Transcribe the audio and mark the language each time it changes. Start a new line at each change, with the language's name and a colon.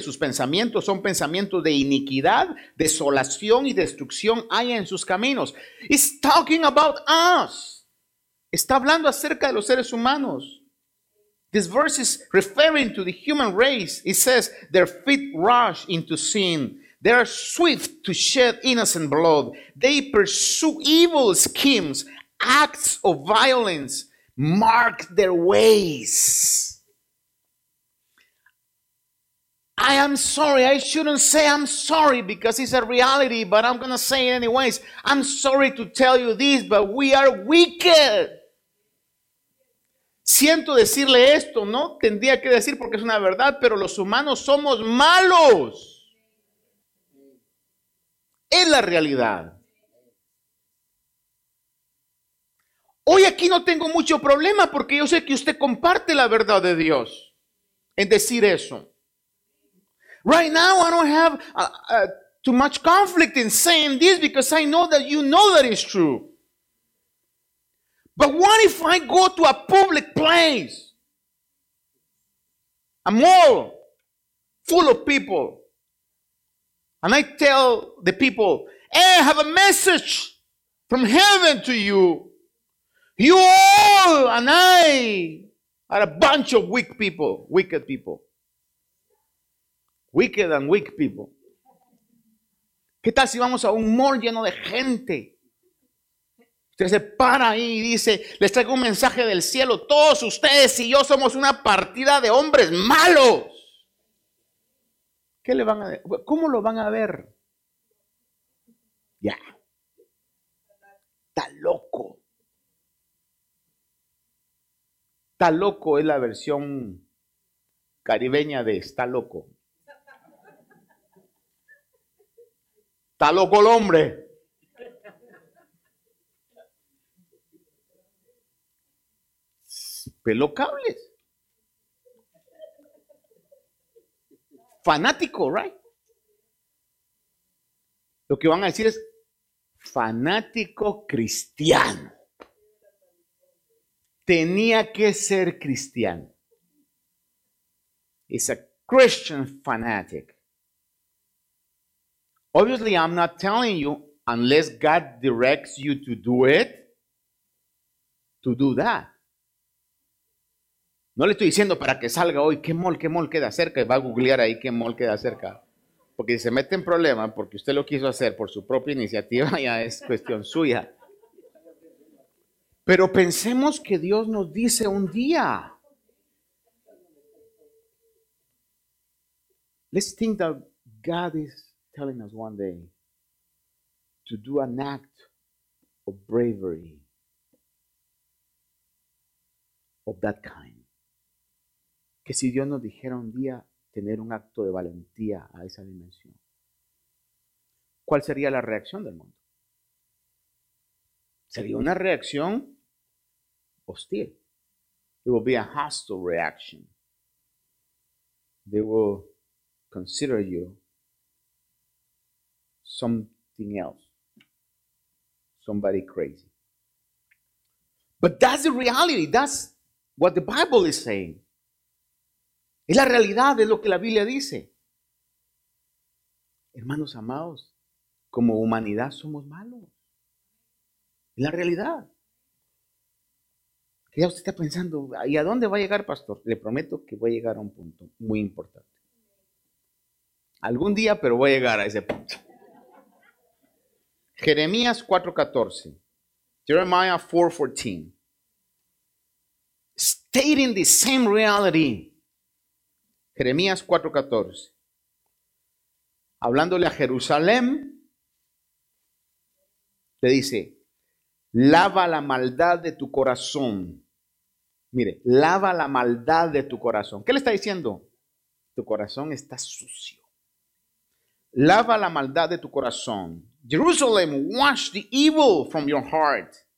Spanish: Sus pensamientos son pensamientos de iniquidad, desolación y destrucción hay en sus caminos.
English: It's talking about us.
Spanish: Está hablando acerca de los seres humanos.
English: This verse is referring to the human race. It says, their feet rush into sin. They are swift to shed innocent blood. They pursue evil schemes, acts of violence. Mark their ways. I am sorry. I shouldn't say I'm sorry because it's a reality, but I'm going to say it anyways. I'm sorry to tell you this, but we are wicked.
Spanish: Siento decirle esto, ¿no? Tendría que decir porque es una verdad, pero los humanos somos malos. Es la realidad. Hoy aquí no tengo mucho problema porque yo sé que usted comparte la verdad de Dios en decir eso.
English: Right now I don't have too much conflict in saying this because I know that you know that it's true. But what if I go to a public place, a mall full of people, and I tell the people, hey, I have a message from heaven to you. You all and I are a bunch of weak people, wicked people. Wicked and weak people.
Spanish: ¿Qué tal si vamos a un mall lleno de gente? Usted se para ahí y dice, les traigo un mensaje del cielo. Todos ustedes y yo somos una partida de hombres malos. ¿Qué le van a ver? ¿Cómo lo van a ver? Ya. Yeah. Está loco. Está loco es la versión caribeña de está loco. Está loco el hombre. Pelo cables. Fanático, right? Lo que van a decir es fanático cristiano. Tenía que ser cristiano.
English: It's a Christian fanatic. Obviously, I'm not telling you, unless God directs you to do it, to do that.
Spanish: No le estoy diciendo para que salga hoy, qué mol queda cerca, y va a googlear ahí, qué mol queda cerca. Porque si se mete en problemas, porque usted lo quiso hacer por su propia iniciativa, ya es cuestión suya. Pero pensemos que Dios nos dice un día.
English: Let's think that God is telling us one day to do an act of bravery of that kind.
Spanish: Que si Dios nos dijera un día tener un acto de valentía a esa dimensión, ¿cuál sería la reacción del mundo? Sería una reacción hostil.
English: It will be a hostile reaction. They will consider you something else. Somebody crazy. But that's the reality. That's what the Bible is saying.
Spanish: Es la realidad de lo que la Biblia dice. Hermanos amados, como humanidad somos malos. Es la realidad. Ya usted está pensando, ¿y a dónde va a llegar, pastor? Le prometo que voy a llegar a un punto muy importante. Algún día, pero voy a llegar a ese punto. Jeremías 4:14. Jeremiah 4:14.
English: Stating the same reality.
Spanish: Jeremías 4:14. Hablándole a Jerusalén, le dice, lava la maldad de tu corazón. Mire, lava la maldad de tu corazón. ¿Qué le está diciendo? Tu corazón está sucio. Lava la maldad de tu corazón.
English: Jerusalem, wash the evil from your heart.